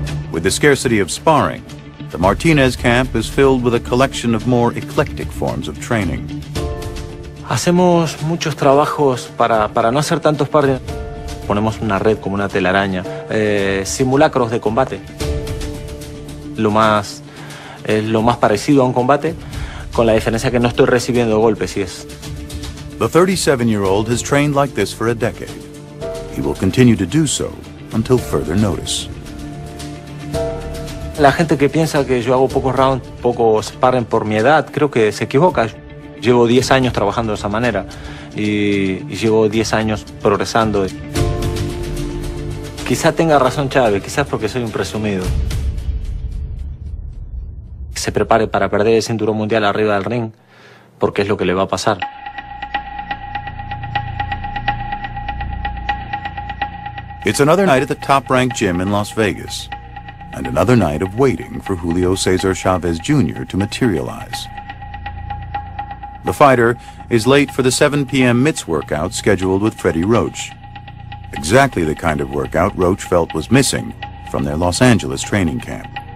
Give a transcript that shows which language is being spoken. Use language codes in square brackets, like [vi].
[en] With the scarcity of sparring, the Martinez camp is filled with a collection of more eclectic forms of training. [es] Hacemos muchos trabajos para no hacer tantos sparring. Ponemos una red como una telaraña. Simulacros de combate. Lo más parecido a un combate, con la diferencia que no estoy recibiendo golpes, si es. [en] The 37-year-old has trained like this for a decade. He will continue to do so until further notice. [es] La gente que piensa que yo hago pocos rounds, pocos sparring por mi edad, creo que se equivoca. Llevo 10 años trabajando de esa manera y llevo 10 años progresando. Quizá tenga razón Chávez, quizás porque soy un presumido. Se prepare para perder el cinturón mundial arriba del ring, porque es lo que le va a pasar. [en] It's another night at the top-ranked gym in Las Vegas, and another night of waiting for Julio Cesar Chavez Jr. to materialize. The fighter is late for the 7 p.m. mitts workout scheduled with Freddie Roach, exactly the kind of workout Roach felt was missing from their Los Angeles training camp.